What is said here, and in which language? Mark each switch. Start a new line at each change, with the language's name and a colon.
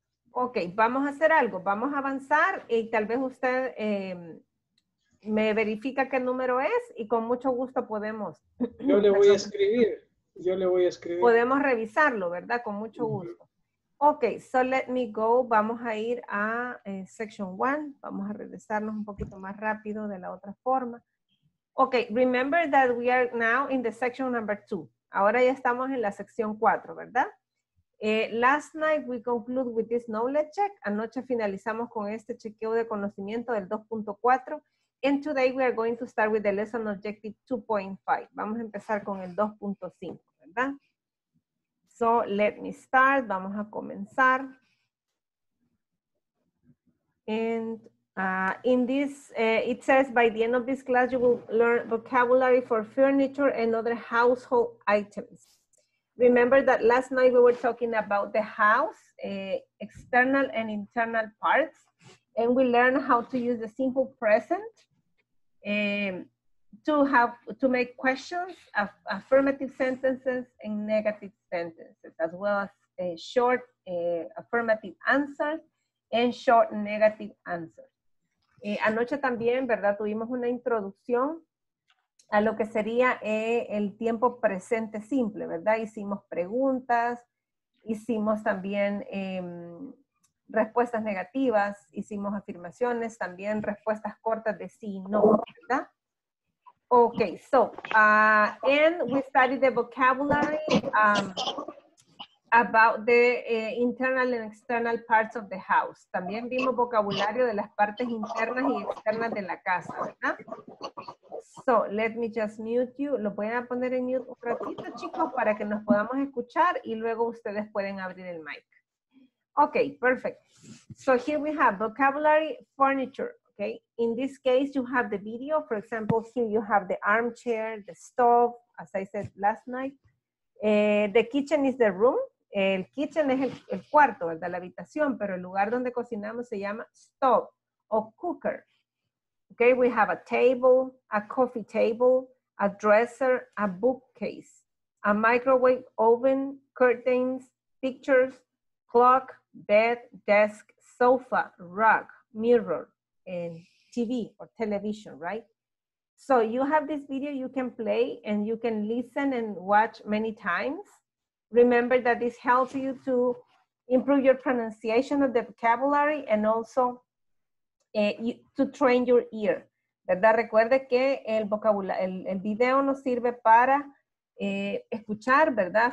Spanish: Ok, vamos a hacer algo, vamos a avanzar y tal vez usted me verifica qué número es y con mucho gusto podemos. Yo le voy a escribir. Podemos revisarlo, ¿verdad? Con mucho gusto. Ok,
English: so let me go,
Spanish: vamos a ir a section 1, vamos a regresarnos un poquito más rápido de la otra forma.
English: Okay, remember that we are now in the section number 2.
Spanish: Ahora ya estamos en la sección 4, ¿verdad?
English: Last night we conclude with this knowledge check.
Spanish: Anoche finalizamos con este chequeo de conocimiento del 2.4.
English: And today we are going to start with the lesson objective 2.5.
Spanish: Vamos a empezar con el 2.5, ¿verdad?
English: So let me start.
Spanish: Vamos a comenzar.
English: In this, it says by the end of this class, you will learn vocabulary for furniture and other household items. Remember that last night we were talking about the house, external and internal parts, and we learned how to use the simple present to make questions, affirmative sentences and negative sentences, as well as a short affirmative answer and short negative answer.
Spanish: Anoche también, ¿verdad? Tuvimos una introducción a lo que sería el tiempo presente simple, ¿verdad? Hicimos preguntas, hicimos también respuestas negativas, hicimos afirmaciones, también respuestas cortas de sí y no, ¿verdad?
English: Okay, so, and we studied the vocabulary about the internal and external parts of the house.
Spanish: También vimos vocabulario de las partes internas y externas de la casa, ¿verdad?
English: So, let me just mute you.
Spanish: Lo voy a poner en mute un ratito, chicos, para que nos podamos escuchar y luego ustedes pueden abrir el mic.
English: Okay, perfect. So, here we have vocabulary, furniture. Okay, in this case, you have the video. For example, here you have the armchair, the stove, as I said last night. The kitchen is the room.
Spanish: El kitchen es el cuarto, ¿verdad? La habitación, pero el lugar donde cocinamos se llama stove o cooker.
English: Okay, we have a table, a coffee table, a dresser, a bookcase, a microwave oven, curtains, pictures, clock, bed, desk, sofa, rug, mirror, and TV or television, right? So you have this video you can play and you can listen and watch many times. Remember that this helps you to improve your pronunciation of the vocabulary and also to train your ear, ¿verdad?
Spanish: Recuerde que el video nos sirve para escuchar, ¿verdad?